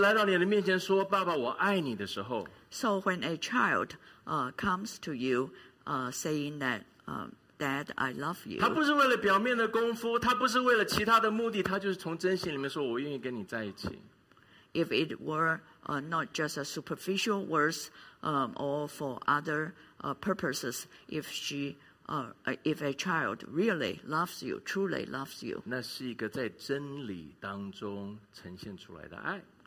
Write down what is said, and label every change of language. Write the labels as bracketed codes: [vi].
[zh] 所以弟兄姐妹，当一个孩子来到你的面前说“爸爸，我爱你”的时候, [en] so when a child comes to you saying that, Dad, I love you. [zh] 他不是为了表面的功夫，他不是为了其他的目的，他就是从真心里面说，我愿意跟你在一起。 [en] If it were not just a superficial words, or for other purposes, if she, if a child really loves you, truly loves you, [zh] 那是一个在真理当中呈现出来的爱。